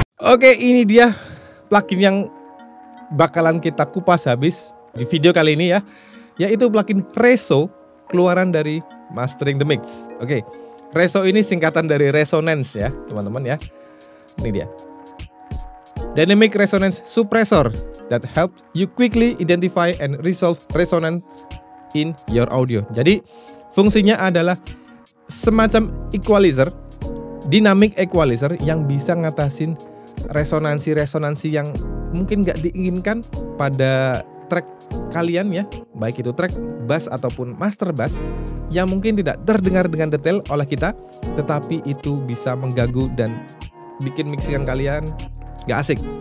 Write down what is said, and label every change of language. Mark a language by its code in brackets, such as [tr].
[id] Oke, ini dia plugin yang bakalan kita kupas habis di video kali ini ya, yaitu plugin Reso keluaran dari Mastering The Mix. Oke, Reso ini singkatan dari Resonance ya teman-teman ya. Ini dia [en] Dynamic Resonance Suppressor that helps you quickly identify and resolve resonance in your audio. [id] Jadi fungsinya adalah semacam equalizer, dynamic equalizer yang bisa ngatasin resonansi-resonansi yang mungkin gak diinginkan pada track kalian ya, baik itu track bass ataupun master bass yang mungkin tidak terdengar dengan detail oleh kita, tetapi itu bisa mengganggu dan bikin mixingan kalian gak asik.